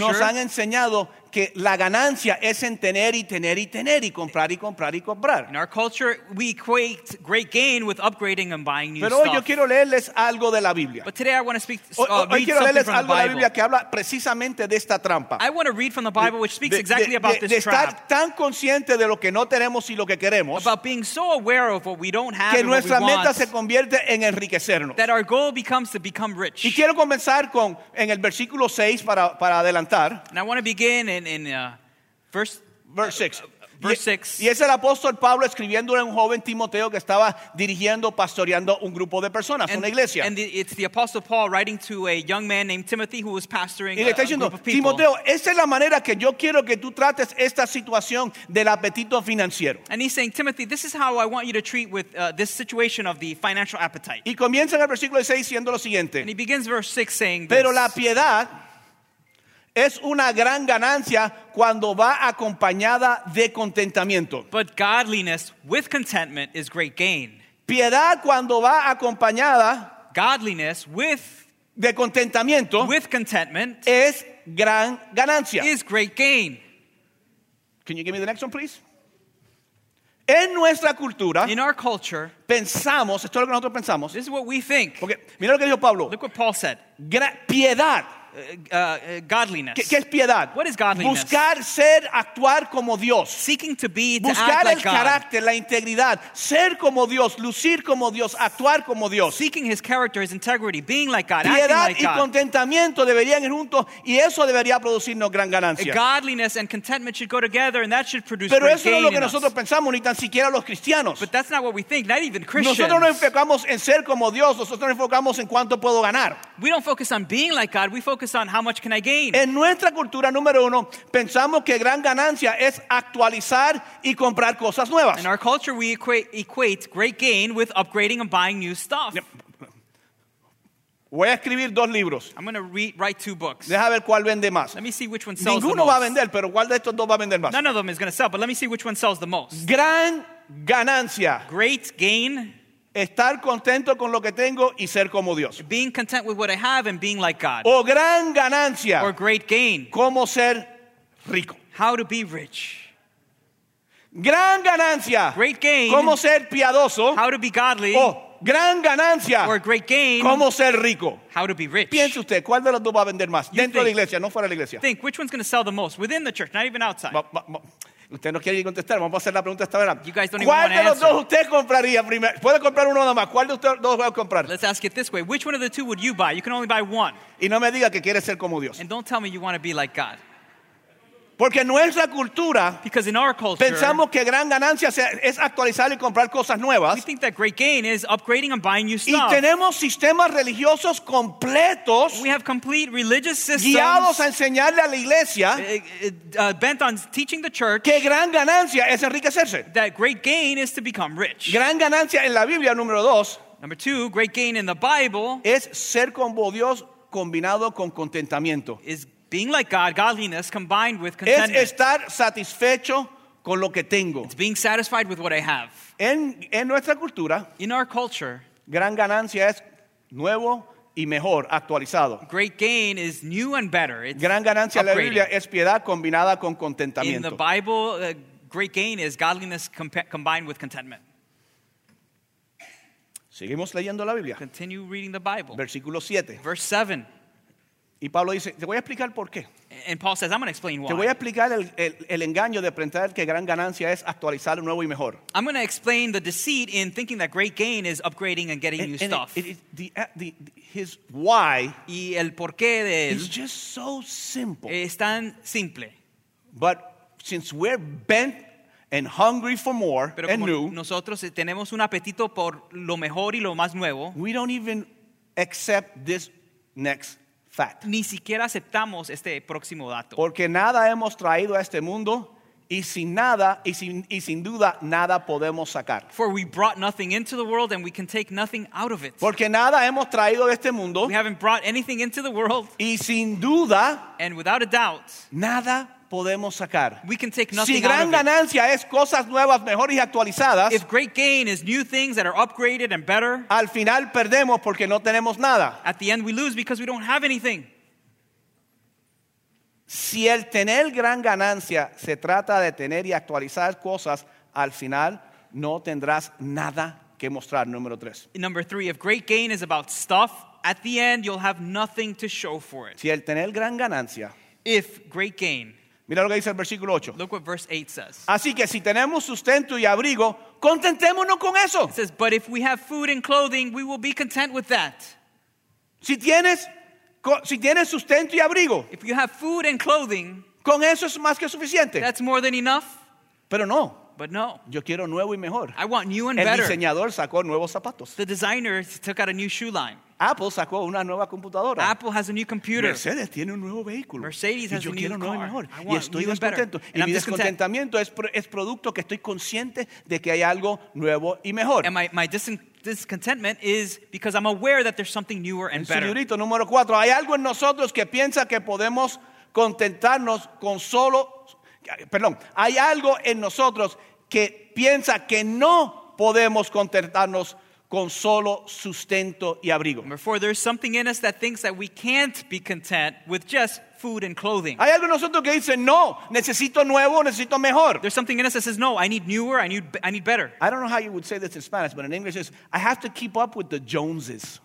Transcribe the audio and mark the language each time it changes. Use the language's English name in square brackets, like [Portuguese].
[Spanish] nos han enseñado que la ganancia es en tener y tener y tener y comprar y comprar y comprar. [English] In our culture, we equate great gain with upgrading and buying new [Spanish] pero [English] stuff. [Spanish] Pero hoy yo quiero leerles algo de la Biblia. [English] But today I want to speak, [Spanish] hoy quiero leerles algo de la Biblia que habla precisamente de esta trampa. [English] I want to read from the Bible which speaks exactly about this trap. [Spanish] De estar tan consciente de lo que no tenemos y lo que queremos. [English] About being so aware of what we don't have and what we want. [Spanish] Que nuestra meta se convierte en enriquecernos. [English] That our goal becomes to become rich. [Spanish] Y quiero comenzar con en el versículo 6 para adelantar. [English] And I want to begin in verse 6. [Spanish] Y es el apóstol Pablo escribiendo a un joven Timoteo que estaba dirigiendo, pastoreando un grupo de personas, [English] and, [Spanish] una iglesia. [English] And it's the apostle Paul writing to a young man named Timothy who was pastoring [Spanish] y le está diciendo, [English] a group of people. [Spanish] Timoteo, esa es la manera que yo quiero que tú trates esta situación del apetito financiero. [English] And he's saying, Timothy, this is how I want you to treat with this situation of the financial appetite. [Spanish] Y comienza en el versículo 6 diciendo lo siguiente. [English] And he begins verse 6 saying this. [Spanish] Pero la piedad es una gran ganancia cuando va acompañada de contentamiento. [English] But godliness with contentment is great gain. [Spanish] Piedad cuando va acompañada [English] godliness with [Spanish] de contentamiento [English] with contentment [Spanish] es gran ganancia. [English] Is great gain. Can you give me the next one, please? [Spanish] En nuestra cultura, [English] in our culture, [Spanish] pensamos, esto es lo que nosotros pensamos. [English] This is what we think. [Spanish] Porque mira lo que dijo Pablo. [English] Look what Paul said. [Spanish] Piedad. [English] Godliness. [Spanish] ¿Qué es piedad? [English] What is godliness? [Spanish] Buscar ser, actuar como Dios. [English] Seeking to be, to [Spanish] buscar [English] act like [Spanish] el carácter, [English] God. [Spanish] La integridad, ser como Dios, lucir como Dios, actuar como Dios. [English] Seeking his character, his integrity, being like God. [Spanish] Piedad [English] acting like [Spanish] y contentamiento [English] God. [Spanish] Deberían ir juntos y eso debería producirnos gran ganancia. [English] Godliness and contentment should go together and that should produce [Spanish] pero [English] great gain. [Spanish] Pero eso no es lo que nosotros pensamos ni tan siquiera los cristianos. [English] But that's not what we think, not even Christians. [Spanish] Nosotros no enfocamos en ser como Dios, nosotros nos enfocamos en cuánto puedo ganar. [English] We don't focus on being like God, we focus on how much can I gain. [Spanish] En nuestra cultura, número uno, pensamos que gran ganancia es actualizar y comprar cosas nuevas. [English] In our culture, we equate great gain with upgrading and buying new stuff. [Spanish] Voy a escribir dos libros. [English] I'm going to write two books. [Spanish] Deja ver cuál vende más. [English] Let me see which one sells [Spanish] ninguno [English] the most. [Spanish] Va a vender, pero cuál de estos dos va a vender más. [English] None of them is going to sell, but let me see which one sells the most. [Spanish] Gran ganancia. [English] Great gain. [Spanish] Estar contento con lo que tengo y ser como Dios. [English] Being content with what I have and being like God. [Spanish] O gran ganancia. [English] Or great gain. [Spanish] Cómo ser rico. [English] How to be rich. [Spanish] Gran ganancia. [English] Great gain. [Spanish] Cómo ser piadoso. [English] How to be godly. [Spanish] O gran ganancia. [English] Or great gain. [Spanish] Cómo ser rico. [English] How to be rich. [Spanish] Piense usted, ¿cuál de los dos va a vender más? Dentro de la iglesia, no fuera de la iglesia. [English] Think, which one's going to sell the most? Within the church, not even outside. [Spanish] Usted no quiere ir a contestar. Vamos a hacer la pregunta esta vez. [English] You guys don't [Spanish] ¿cuál [English] even [Spanish] de los dos usted compraría primero? Puede comprar uno nada más. ¿Cuál de ustedes dos va a comprar? [English] Let's ask it this way. Which one of the two would you buy? You can only buy one. [Spanish] Y no me diga que quiere ser como Dios. [English] And don't tell me you want to be like God. [Spanish] Porque en nuestra cultura, [English] because in our culture, [Spanish] pensamos que gran ganancia es actualizar y comprar cosas nuevas. [English] We think that great gain is upgrading and buying new stuff. [Spanish] Y tenemos sistemas religiosos completos. [English] We have complete religious systems [Spanish] guiados a enseñarle a la iglesia, [English] bent on teaching the church, [Spanish] que gran ganancia es enriquecerse. [English] That great gain is to become rich. [Spanish] Gran ganancia en la Biblia, número dos. [English] Number two, great gain in the Bible [Spanish] es ser como Dios combinado con contentamiento. [English] Is being like God, godliness combined with contentment. [Spanish] Es estar satisfecho con lo que tengo. [English] It's being satisfied with what I have. [Spanish] En nuestra cultura, [English] in our culture, [Spanish] gran ganancia es nuevo y mejor, actualizado. [English] Great gain is new and better. It's [Spanish] gran ganancia [English] upgrading. [Spanish] La Biblia es piedad combinada con contentamiento. [English] In the Bible, great gain is godliness combined with contentment. [Spanish] Seguimos leyendo la Biblia. [English] Continue reading the Bible. [Spanish] Versículo 7. [English] Verse 7. [Spanish] Y Pablo dice, te voy a explicar por qué. [English] And Paul says, I'm going to explain why. [Spanish] Te voy a explicar el engaño de pensar que gran ganancia es actualizar nuevo y mejor. [English] I'm going to explain the deceit in thinking that great gain is upgrading and getting new and stuff. His why [Spanish] y el por qué de él [English] is just so simple. [Spanish] Es tan simple. [English] But since we're bent and hungry for more [Spanish] pero [English] and new, [Spanish] nosotros tenemos un apetito por lo mejor y lo más nuevo, [English] we don't even accept this next fact. [Spanish] Ni siquiera aceptamos este próximo dato. Porque nada hemos traído a este mundo y sin nada y sin duda nada podemos sacar. [English] For we brought nothing into the world and we can take nothing out of it. [Spanish] Porque nada hemos traído de este mundo. [English] We haven't brought anything into the world. [Spanish] Y sin duda, [English] and without a doubt, [Spanish] nada podemos sacar. [English] We can take nothing [Spanish] si gran [English] out [Spanish] ganancia [English] of it. [Spanish] Es cosas nuevas, mejores y actualizadas, [English] if great gain is new things that are upgraded and better, [Spanish] al final perdemos porque no tenemos nada. [English] At the end we lose because we don't have anything. [Spanish] Si el tener gran ganancia se trata de tener y actualizar cosas, al final no tendrás nada que mostrar. Número tres. [English] Number three, if great gain is about stuff, at the end you'll have nothing to show for it. [Spanish] Si el tener gran ganancia, [English] if great gain, [Spanish] mira lo que dice el versículo 8. [English] Look what verse 8 says. [Spanish] Así que si tenemos sustento y abrigo, contentémonos con eso. [English] It says, but if we have food and clothing, we will be content with that. [Spanish] Si tienes sustento y abrigo, [English] if you have food and clothing, [Spanish] con eso es más que suficiente. [English] That's more than enough. [Spanish] Pero no. [English] But no. [Spanish] Yo quiero nuevo y mejor. [English] I want new and [Spanish] el [English] better. [Spanish] El diseñador sacó nuevos zapatos. [English] The designer took out a new shoe line. [Spanish] Apple sacó una nueva computadora. [English] Apple has a new computer. [Spanish] Mercedes tiene un nuevo vehículo. [English] Mercedes has a new car. [Spanish] Y yo quiero mejor. Y estoy descontento. Y mi descontentamiento es producto que estoy consciente de que hay algo nuevo y mejor. [English] And my discontentment is because I'm aware that there's something newer and better. [Spanish] Señorito, número cuatro. Hay algo en nosotros que piensa que podemos contentarnos con solo... Perdón. Hay algo en nosotros que piensa que no podemos contentarnos con solo sustento y abrigo. [English] Number four, there's something in us that thinks that we can't be content with just food and clothing. [Spanish] Hay algo en nosotros que dice, no, necesito nuevo, necesito mejor. [English] There's something in us that says, no, I need newer, I need better. I don't know how you would say this in Spanish, but in English it's, I have to keep up with the Joneses.